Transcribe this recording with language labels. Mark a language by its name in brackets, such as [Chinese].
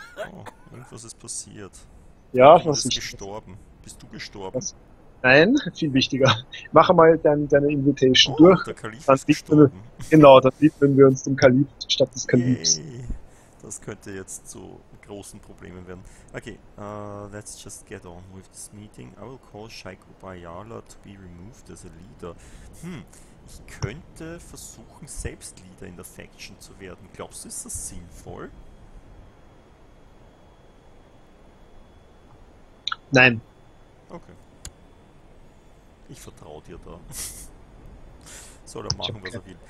[German] Oh, irgendwas ist passiert. Ja, was ist gestorben? Bist du gestorben? Was? Nein, viel wichtiger. Mach mal deine Invitation durch. Der Kalif dann ist gestorben. Dann widmen wir uns dem Kalif statt des Kalifs. Hey, das könnte jetzt zu großen Problemen werden. [English] Okay, let's just get on with this meeting. I will call Sheikh Ubayala to be removed as a leader. [German] Ich könnte versuchen, selbst Leader in der Faction zu werden. Glaubst du, ist das sinnvoll? Nein. Okay. Ich vertraue dir da. Soll er machen, was er will.